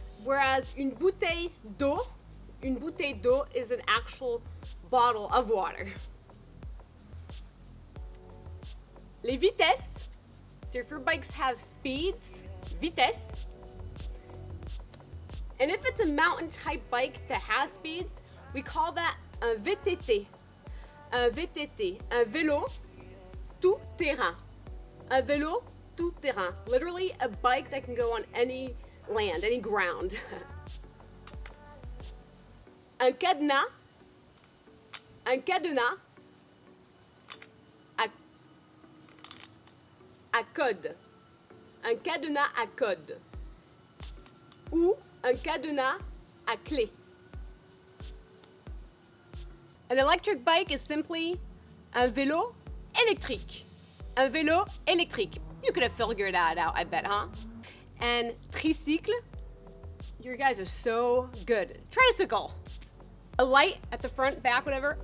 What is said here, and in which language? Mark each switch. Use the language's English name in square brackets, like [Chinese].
[English] Whereas [French] une bouteille d'eau [English] is an actual bottle of water. [French] Les vitesses. [English] So if your bikes have speeds, vitesse. And if it's a mountain type bike that has speeds, we call that un VTT. [French] Un VTT, un vélo tout terrain. Un vélo tout terrain. [English] Literally a bike that can go on any land, any ground. [French] Un cadenas, à code, un cadenas à code, ou un cadenas à clé. [English] An electric bike is simply [French] un vélo électrique, un vélo électrique. [English] You could have figured that out, I bet, huh? And tricycle, you guys are so good. Tricycle. A light at the front, back, whatever.